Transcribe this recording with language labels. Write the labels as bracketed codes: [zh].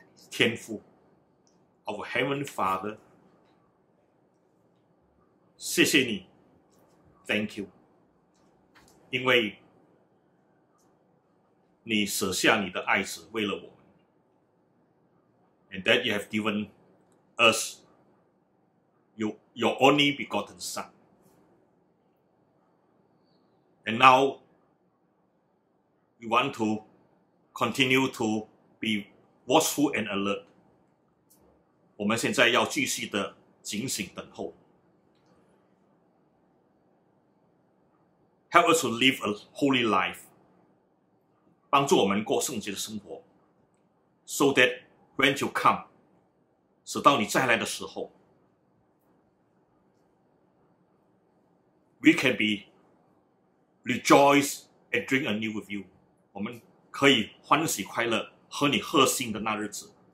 [zh] 天父 [en] ，Our Heavenly Father， [zh] 谢谢你 [en] ，Thank you， [zh] 因为你舍下你的爱子为了我们 [en] ，And that you have given us your only begotten Son。 And now, we want to continue to be watchful and alert. [zh] 我们现在要继续的警醒等候。 [en] Help us to live a holy life. [zh] 帮助我们过圣洁的生活。 [en] So that when you come, [zh] 直到你再来的时候 [en] we can beRejoice and drink anew with you. [zh] 我们可以欢喜快乐和你喝新的那日子。